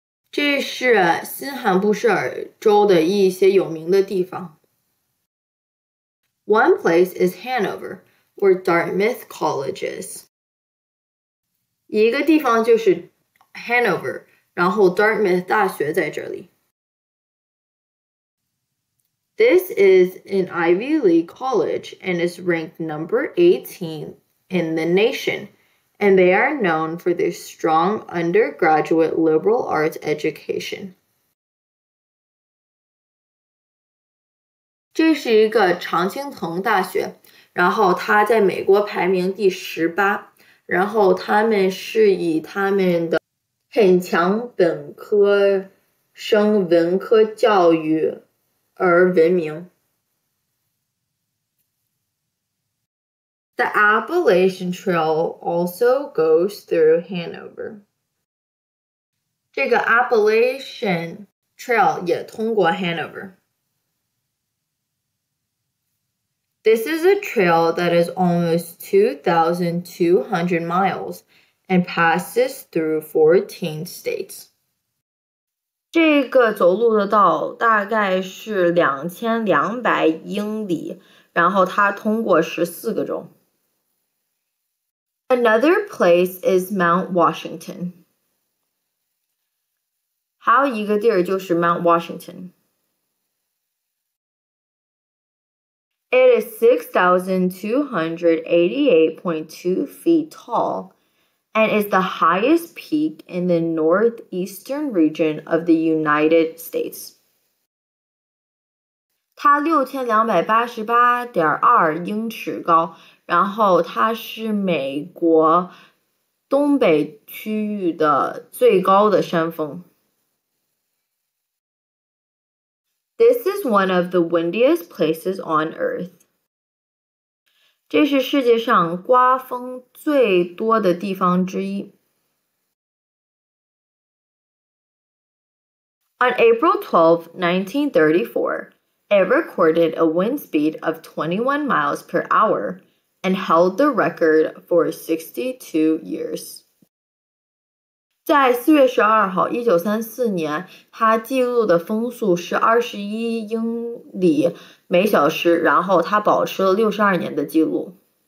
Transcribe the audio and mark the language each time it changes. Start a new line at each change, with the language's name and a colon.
Chinese: 这是新罕布什尔州的一些有名的地方。
English: One place is Hanover, where Dartmouth College is.
Chinese: 一个地方就是 Hanover, 然后 Dartmouth 大学在这里。
English: This is an Ivy League college and is ranked number 18 in the nation, and they are known for their strong undergraduate liberal arts education.
Chinese: 这是一个常青藤大学，然后它在美国排名第十八，然后他们是以他们的很强本科生文科教育而闻名。
English: The Appalachian Trail also goes through Hanover.
Chinese: 这个 Appalachian Trail 也通过 Hanover.
English: This is a trail that is almost 2,200 miles and passes through 14 states.
Chinese: 这个走路的道大概是2,200英里，然后它通过14个州。
English: Another place is Mount Washington.
Chinese: 还有一个地儿就是 Mount Washington.
English: It is 6,288.2 feet tall and is the highest peak in the northeastern region of the United States.
Chinese: 它 6,288.2 英尺高，然后它是美国东北区域的最高的山峰。
English: This is one of the windiest places on Earth.
Chinese: 这是世界上刮风最多的地方之一。
English: On April 12, 1934, it recorded a wind speed of 21 miles per hour and held the record for 62 years.
Chinese: 在4月12号1934年，它记录的风速是21英里每小时，然后它保持了62年的记录。